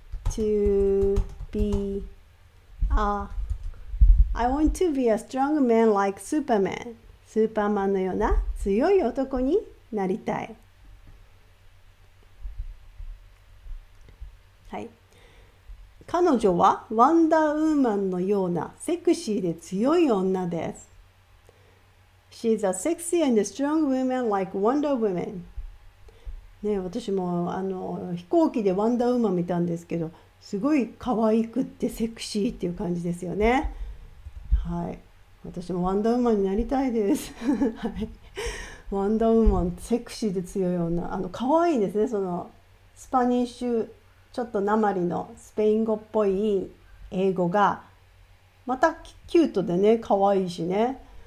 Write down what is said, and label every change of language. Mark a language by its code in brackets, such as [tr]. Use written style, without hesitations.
[en] To be I want to be a strong man like Superman. [ja] スーパーマンのような強い男になりたい。はい。彼女はワンダーウーマンのようなセクシーで強い女です。 [en] She's a sexy and strong woman like Wonder Woman. [ja] ね、私も飛行機でワンダーウーマン見たんですけど、すごい可愛くってセクシーっていう感じですよね。はい、私もワンダーウーマンになりたいです、はい、ワンダーウーマンセクシーで強い女、可愛いですね。そのスパニッシュちょっと訛りのスペイン語っぽい英語がまたキュートでね、可愛いしね。